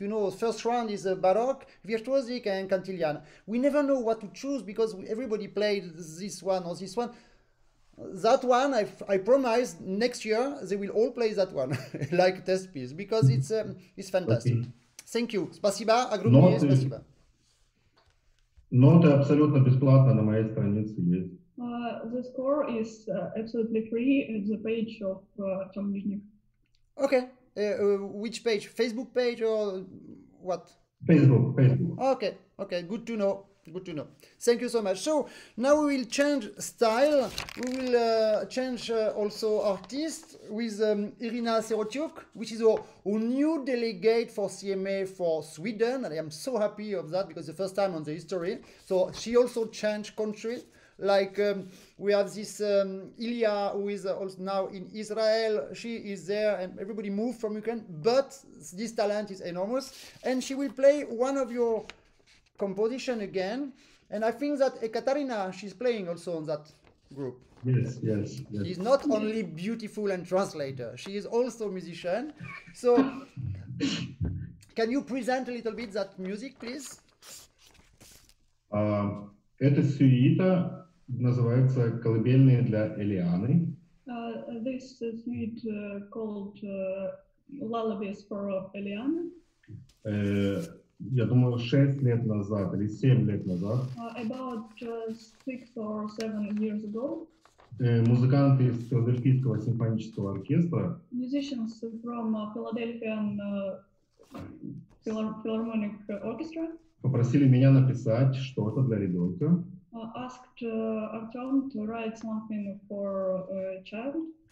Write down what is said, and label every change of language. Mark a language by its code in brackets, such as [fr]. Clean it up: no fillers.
[en] You know, first round is a baroque, virtuosic, and cantiliana. We never know what to choose because everybody played this one or this one. That one, I promise, next year they will all play that one, like test piece, because it's fantastic. Okay. Thank you. [ru] Спасибо. Огромное спасибо. Ноты абсолютно бесплатно на моей странице есть. [en] The score is absolutely free at the page of Tom Nizhnik. Okay. Which page? Facebook page or what? Facebook. Okay. Good to know. Good to know. Thank you so much. So now we will change style. We will change also artist with Irina Serotyuk, which is a new delegate for CMA for Sweden. And I am so happy of that because the first time on the history. So she also changed country. Like we have this Ilya, who is also now in Israel. She is there and everybody moved from Ukraine. But this talent is enormous. And she will play one of your composition again, and I think that Ekaterina, she's playing also on that group. Yes. She's not only beautiful and translator, she is also musician. So can you present a little bit that music, please? [ru] Эта сюита называется «Колыбельные для Элианы». [en] This suite called «Lullabies for Eliana». [ru] Я думаю, 6 лет назад или 7 лет назад. [en] About 6 or 7 years ago. [ru] Музыканты из Филадельфийского симфонического оркестра. [en] Musicians from Philadelphian Philharmonic Orchestra. [ru] Попросили меня написать что-то для ребенка. [en] Asked Artem to write something for a child.